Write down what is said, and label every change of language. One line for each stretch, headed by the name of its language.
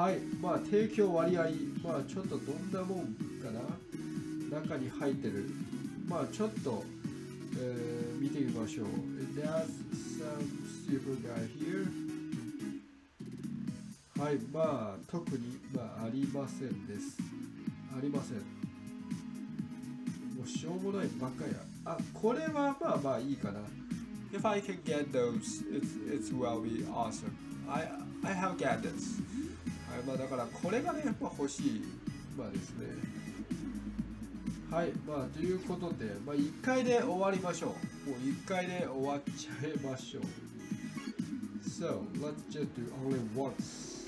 Japanese: はい、まあ提供割合、まあちょっとどんなもんかな、中に入ってる、まあちょっと、見てみましょう。
English: There's some super guy here.
Japanese: はい、まあ特に、まあ、ありませんです。ありません。もうしょうもないばっかりや。あ、これはまあまあいいかな。
English: If I can get those, it's will be awesome. I have gadgets.
Japanese: はい、まあだからこれがね、まあ欲しい。まあですね。はい、まあということで、まあ1回で終わりましょう。もう1回で終わっちゃいましょう。
English: So, let's just do only once.